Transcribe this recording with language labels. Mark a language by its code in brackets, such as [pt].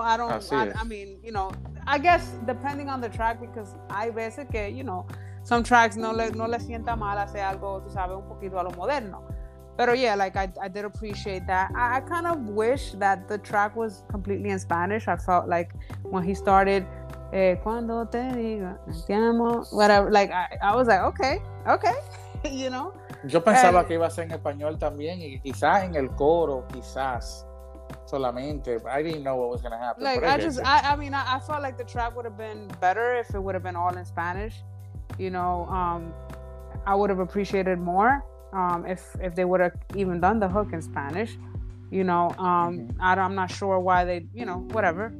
[en] I mean, you know, I guess depending on the track, because I basically, you know, some tracks [es] no le sienta mal hacer algo, tú sabes, un poquito a lo moderno. [en] But yeah, like, I did appreciate that. I kind of wish that the track was completely in Spanish. I felt like when he started, [es] cuando te digo, te amo, [en] whatever, like, I was like, okay, you know? [es] Yo pensaba que iba a ser en español también, y quizás en el coro, quizás, solamente. [en] I didn't know what was going to happen. Like, I felt like the track would have been better if it would have been all in Spanish, you know? I would have appreciated more. If they would have even done the hook in Spanish, you know, I'm not sure why they, you know, whatever.